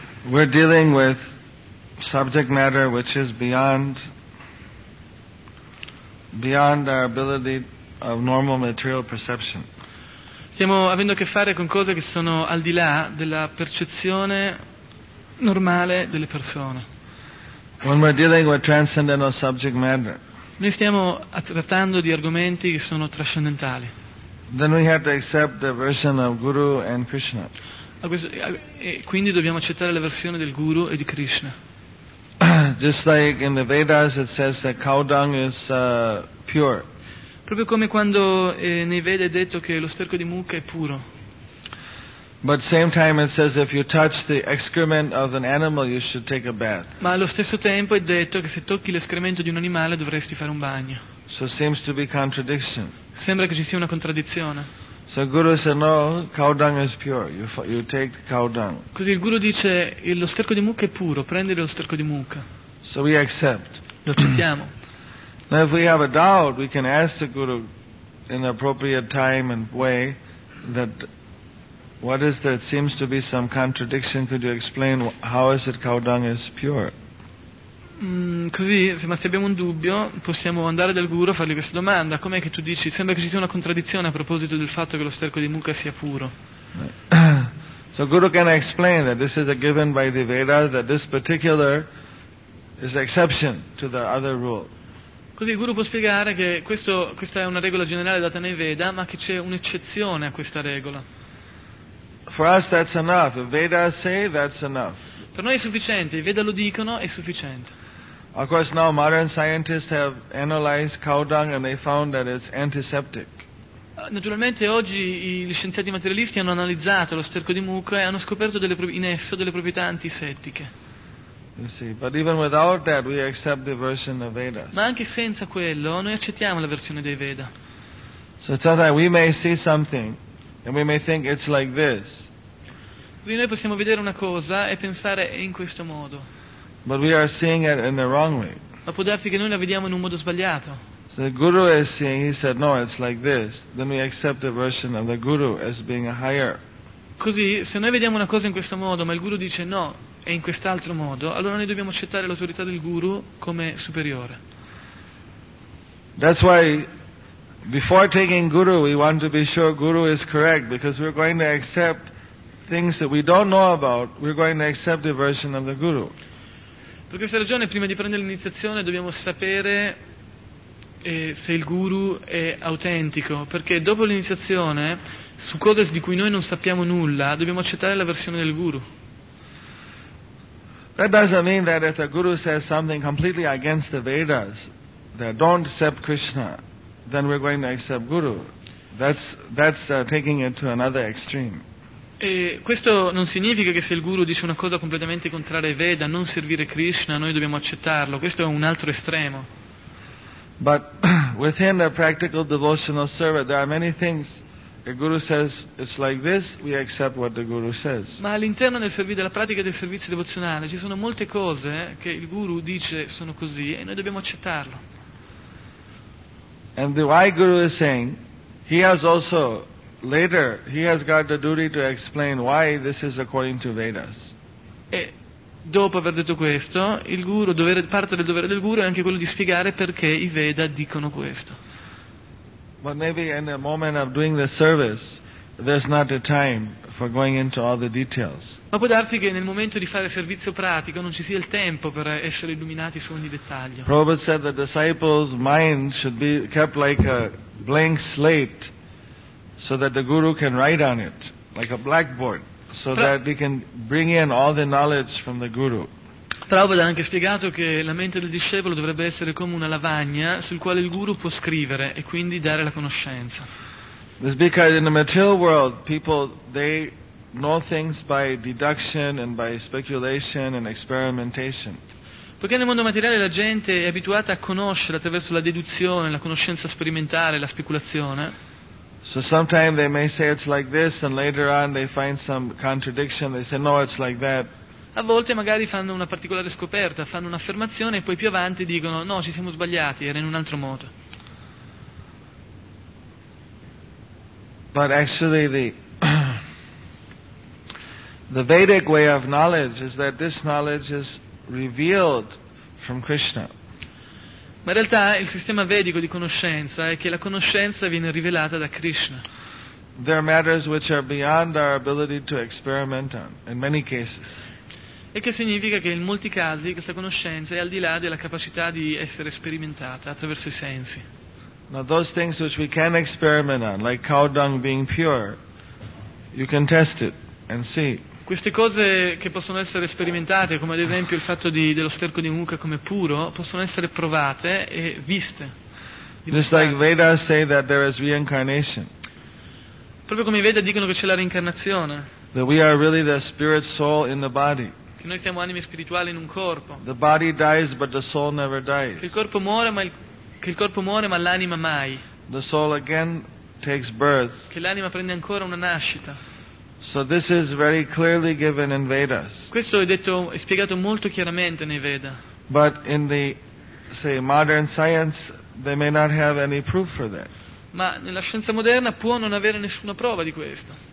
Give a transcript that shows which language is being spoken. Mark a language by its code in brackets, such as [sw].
[en] We're dealing with subject matter which is beyond our ability of normal material perception. [it] Stiamo avendo a che fare con cose che sono al di là della percezione normale delle persone. [en] When we're dealing with transcendental subject matter, [it] noi stiamo trattando di argomenti che sono trascendentali. [en] Then we have to accept the version of Guru and Krishna. [it] E quindi dobbiamo accettare la versione del Guru e di Krishna. [en] Just like in the Vedas it says that cow dung is pure. [it] Proprio come quando nei Veda è detto che lo sterco di mucca è puro. [en] But same time it says if you touch the excrement of an animal you should take a bath. [it] Ma allo stesso tempo è detto che se tocchi l'escremento di un animale dovresti fare un bagno. [en] So seems to be contradiction. [it] Sembra che ci sia una contraddizione. [en] So Guru said no, cow dung is pure. You take cow dung. [it] Così il Guru dice lo sterco di mucca è puro, prendi lo sterco di mucca. [en] So we accept. [it] Lo accettiamo. [en] Now if we have a doubt, we can ask the Guru in appropriate time and way that what is there? It seems to be some contradiction. Could you explain how is it cow dung is pure? [it] Così, se abbiamo un dubbio, possiamo andare dal Guru a fargli questa domanda. Com'è che tu dici? Sembra che ci sia una contraddizione a proposito del fatto che lo sterco di mucca sia puro. [en] So Guru can explain that this is a given by the Veda, that this particular is exception to the other rule. [it] Così il Guru può spiegare che questa è una regola generale data nei Veda, ma che c'è un'eccezione a questa regola. [en] For us that's enough. If Veda say, that's enough. [it] Per noi è sufficiente, i Veda lo dicono, è sufficiente. [en] Of course now modern scientists have analyzed cow dung and they found that it's antiseptic. [it] Naturalmente oggi gli scienziati materialisti hanno analizzato lo sterco di mucca e hanno scoperto in esso delle proprietà antisettiche. [en] You see, but even without that we accept the version of Veda. [it] Ma anche senza quello noi accettiamo la versione dei Veda. [en] So sometimes we may see something and we may think it's like this. [it] Quindi noi possiamo vedere una cosa e pensare in questo modo. [en] But we are seeing it in the wrong way. [it] Ma può darsi che noi la vediamo in un modo sbagliato. [en] So the Guru is seeing, he said, no, it's like this. Then we accept the version of the Guru as being a higher. [it] Così, se noi vediamo una cosa in questo modo, ma il Guru dice no, è in quest'altro modo, allora noi dobbiamo accettare l'autorità del Guru come superiore. [en] That's why before taking Guru, we want to be sure Guru is correct, because we're going to accept things that we don't know about, we're going to accept the version of the Guru. [it] Per questa ragione, prima di prendere l'iniziazione, dobbiamo sapere se il Guru è autentico, perché dopo l'iniziazione, su cose di cui noi non sappiamo nulla, dobbiamo accettare la versione del Guru. [en] That doesn't mean that if the Guru says something completely against the Vedas, that don't accept Krishna, then we're going to accept Guru. That's taking it to another extreme. [it] E questo non significa che se il Guru dice una cosa completamente contraria ai Veda, non servire Krishna, noi dobbiamo accettarlo. Questo è un altro estremo. [en] But within a practical devotional service there are many things the Guru says it's like this, we accept what the Guru says. [it] Ma all'interno della pratica del servizio devozionale ci sono molte cose che il Guru dice sono così e noi dobbiamo accettarlo. [en] And the why Guru is saying he has also later, he has got the duty to explain why this is according to Vedas. [it] E dopo aver detto questo, il Guru, parte del dovere del Guru è anche quello di spiegare perché i Veda dicono questo. [en] But maybe in the moment of doing the service, there's not the time for going into all the details. [it] Ma può darsi che nel momento di fare servizio pratico non ci sia il tempo per essere illuminati su ogni dettaglio. [en] Prabhupada said the disciples' mind should be kept like a blank slate. So that the guru can write on it like a blackboard, so that we can bring in all the knowledge from the guru. [it] Prabhupada ha anche spiegato che la mente del discepolo dovrebbe essere come una lavagna sul quale il guru può scrivere e quindi dare la conoscenza. [en] It's because in the material world, people they know things by deduction and by speculation and experimentation. [it] Poiché nel mondo materiale la gente è abituata a conoscere attraverso la deduzione, la conoscenza sperimentale, la speculazione. [en] So sometimes they may say it's like this and later on they find some contradiction, they say no it's like that. [it] A volte magari fanno una particolare scoperta, fanno un'affermazione e poi più avanti dicono no, ci siamo sbagliati, era in un altro modo. [en] But actually the Vedic way of knowledge is that this knowledge is revealed from Krishna. [it] Ma in realtà il sistema vedico di conoscenza è che la conoscenza viene rivelata da Krishna. [en] There are matters which are beyond our ability to experiment on, in many cases. [it] E che significa che in molti casi questa conoscenza è al di là della capacità di essere sperimentata attraverso i sensi. [en] Now those things which we can experiment on, like cow dung being pure, you can test it. and see. [it] Queste cose che possono essere sperimentate, come ad esempio il fatto di, dello sterco di mucca come puro, possono essere provate e viste. [en] Just like Veda say that there is reincarnation. [it] Proprio come i Veda dicono che c'è la reincarnazione. [en] That we are really the spirit soul in the body. [it] Che noi siamo anime spirituali in un corpo. [en] The body dies, but the soul never dies. [it] Che il corpo muore, ma l'anima mai. [en] The soul again takes birth. [it] Che l'anima prende ancora una nascita. [en] So this is very clearly given in Vedas. [it] Questo è detto e spiegato molto chiaramente nei Veda. [en] But in the, say, modern science, they may not have any proof for that. [it] Ma nella scienza moderna può non avere nessuna prova di questo.